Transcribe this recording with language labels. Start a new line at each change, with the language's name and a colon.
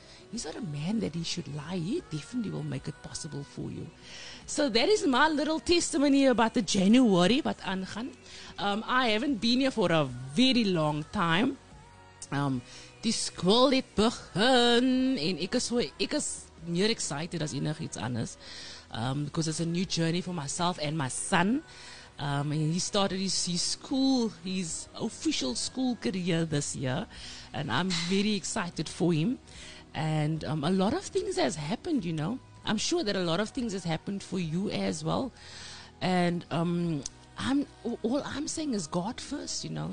English: he's not a man that he should lie. He definitely will make it possible for you. So that is my little testimony about the January, about Anhan. I haven't been here for a very long time.
Afrikaans: Die school het begin en ek is meer excited as enig iets anders.
English: Because it's a new journey for myself and my son. And he started his official school career this year. And I'm very excited for him. And a lot of things has happened, you know. I'm sure that a lot of things has happened for you as well. And all I'm saying is God first, you know.